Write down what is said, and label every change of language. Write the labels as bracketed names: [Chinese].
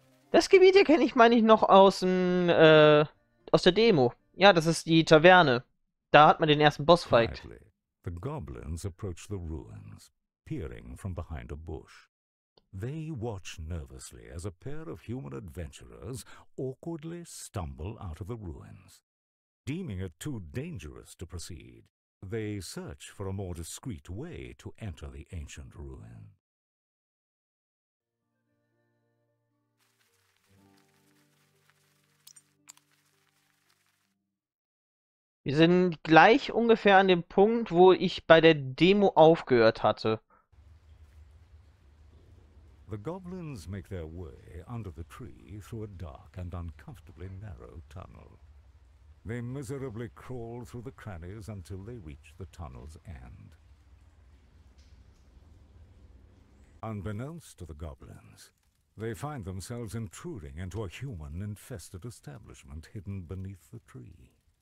[German] Das Gebiet hier kenne ich, meine ich, noch aus der Demo. Ja, das ist die Taverne. Da hat man den ersten Bossfight. [English] The goblins approach the ruins, peering from behind a bush. They watch nervously as a pair of human adventurers awkwardly stumble out of the ruins. Deeming it too dangerous to proceed, they search for a more discreet way to enter the ancient ruin. [German] Wir sind gleich ungefähr an dem Punkt, wo ich bei der Demo aufgehört hatte. [English] The goblins make their way under the tree through a dark and uncomfortably narrow tunnel. They miserably crawl through the crannies until they reach the tunnel's end. Unbeknownst to the goblins, they find themselves intruding into a human-infested establishment hidden beneath the tree.